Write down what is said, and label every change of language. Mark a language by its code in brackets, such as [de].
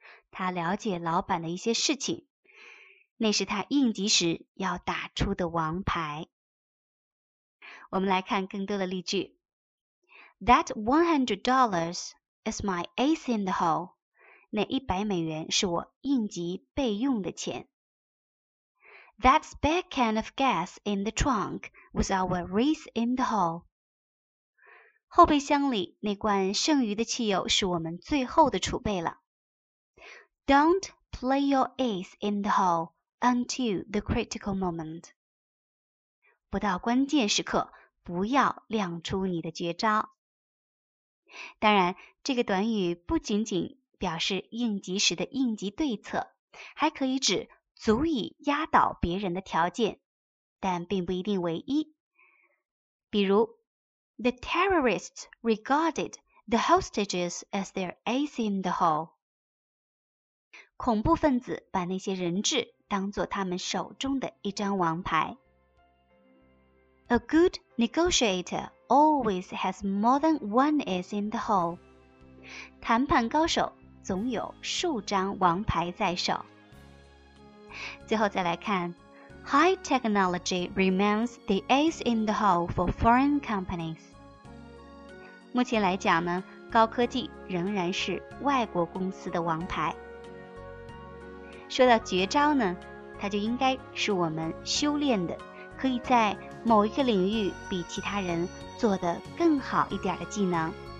[zh] 他了解老板的一些事情，那是他应急时要打出的王牌。我们来看更多的例句。 [en] That $100 is my ace in the hole. [zh] 那100美元是我应急备用的钱。 [en] That spare can of gas in the trunk was our race in the hole. [zh] 后备箱里那罐剩余的汽油是我们最后的储备了。 [en] Don't play your ace in the hole until the critical moment. [zh] 不到关键时刻，不要亮出你的绝招。当然，这个短语不仅仅表示应急时的应急对策，还可以指足以压倒别人的条件，但并不一定唯一。比如 [en] The terrorists regarded the hostages as their ace in the hole. [zh] 恐怖分子把那些人质当作他们手中的一张王牌。 [en] A good negotiator always has more than one ace in the hole. [zh] 谈判高手总有数张王牌在手。最后再来看 [en] High technology remains the ace in the hole for foreign companies. [zh] 目前来讲呢，高科技仍然是外国公司的王牌。说到绝招呢，它就应该是我们修炼的，可以在某一个领域比其他人做得更好一点的技能。